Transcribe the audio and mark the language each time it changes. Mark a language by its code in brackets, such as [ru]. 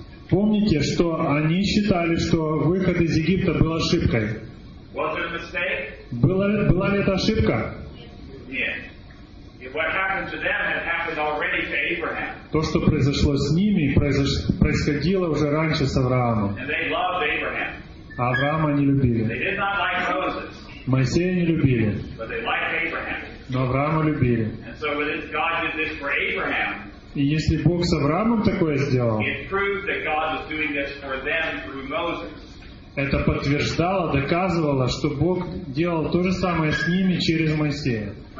[ru] Помните, что они считали, что выход из Египта был ошибкой. [en] Was it a mistake? [ru] Была ли это ошибка? [en] Yeah. What happened to them had happened already to Abraham. [ru] То, что произошло с ними, происходило уже раньше с Авраамом. [en] And they loved Abraham. [ru] А Авраама не любили. [en] They did not like Moses. [ru] Моисея не любили. [en] But they liked Abraham. [ru] Но Авраама любили. [en] And so God did this for Abraham. [ru] И если Бог с Авраамом такое сделал, это подтверждало, доказывало, что Бог делал то же самое с ними через Моисея.